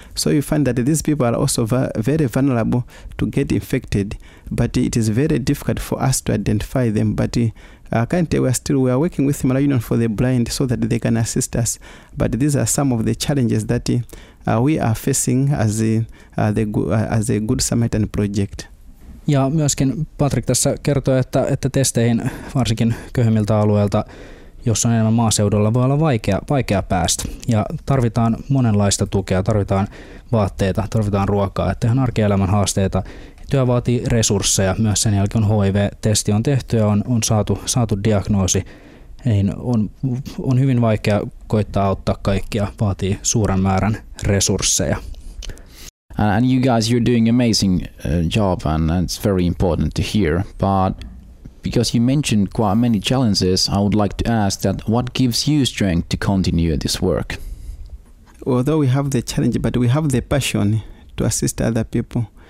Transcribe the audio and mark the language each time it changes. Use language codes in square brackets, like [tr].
[en] So you find that these people are also very vulnerable to get infected, but it is very difficult for us to identify them. But currently we are working with Malawi Union for the Blind so that they can assist us. But these are some of the challenges that we are facing as a Good Samaritan project. [fi] Ja myöskin Patrick tässä kertoi, että testeihin varsinkin köyhemmiltä alueilta, jossa on enemmän maaseudulla, voi olla vaikea päästä. Ja tarvitaan monenlaista tukea, tarvitaan vaatteita, tarvitaan ruokaa, että ihan arkielämän haasteita. Työ vaatii resursseja, myös sen jälkeen HIV-testi on tehty ja on saatu diagnoosi. Niin on hyvin vaikea koittaa auttaa kaikkia, vaatii suuren määrän resursseja. [en] And you guys, you're doing amazing job, and it's very important to hear. But because you mentioned quite many challenges, I would like to ask that what gives you strength to continue this work? Although we have the challenge, but we have the passion to assist other people.